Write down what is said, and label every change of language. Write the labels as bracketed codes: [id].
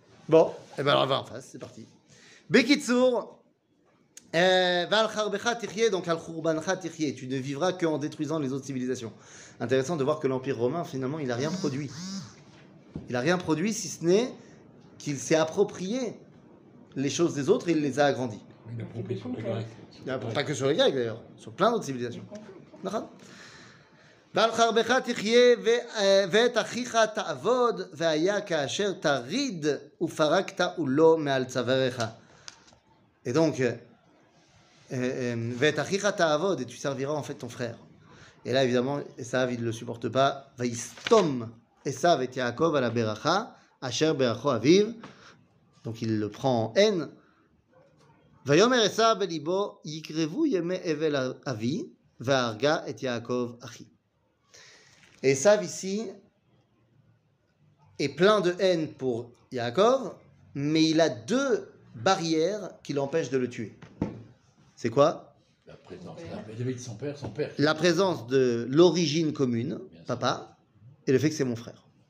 [fr] Bon, et ben alors elle va en face, c'est parti. Bekitsour, [he] Val Kharbecha Tichye, [fr] donc [he] Al Khurbancha Tichye, [fr] tu ne vivras qu'en détruisant les autres civilisations. Intéressant de voir que l'Empire romain, finalement, il n'a rien produit. Il n'a rien produit, si ce n'est qu'il s'est approprié les choses des autres et il les a agrandies. Il a approprié sur les Grecs. Pas que sur les Grecs, d'ailleurs, sur plein d'autres civilisations. D'accord ? [he] ועל חרבך תחיה ואת אחיך תעבוד והיה כאשר תריד ופרקת ולא מעל צוואריך. [fr] Et donc, [he] ואת אחיך תעבוד, [fr] et tu serviras en fait ton frère. Et là, évidemment, Esav, il ne le supporte pas. [he] ויסתום Esav את יעקב על הברכה, אשר ברכו אביו. [fr] Donc, il le prend en haine. [he] ויאמר Esav בליבו, יקרבו ימי אבל אבי, והרגה את יעקב אחי. [fr] Et Esav ici est plein de haine pour Yaakov, mais il a deux barrières qui l'empêchent de le tuer. C'est quoi ? La présence de son père, La présence de l'origine commune, papa, et le fait que c'est mon frère.